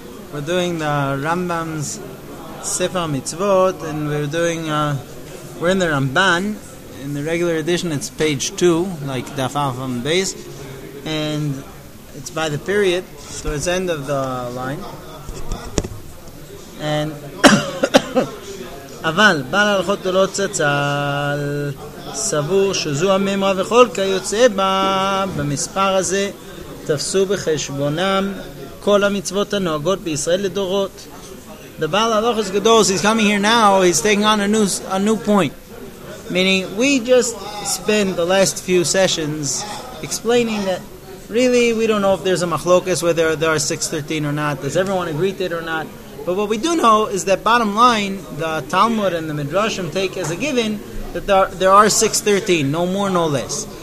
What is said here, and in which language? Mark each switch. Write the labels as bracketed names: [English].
[English] We're doing the Rambam's Sefer Mitzvot, and we're doing... we're in the Ramban. In the regular edition, it's page 2, like Daf Avam base. And it's by the period, so it's end of the line. And... [Hebrew] אבל בעל הלכות לא צצל סבור שזו הממרה וכל כיוצא בה במספר הזה תפסו בחשבונם כל המצוות הנוהגות בישראל לדורות. [English] The בעל הלכות גדול, he's coming here now, he's taking on a new point. Meaning, we just spent the last few sessions explaining that really we don't know if there's a machlokas, whether there are 613 or not. Does everyone agree to it or not? But what we do know is that bottom line, the Talmud and the Midrashim take as a given that there are 613, no more, no less.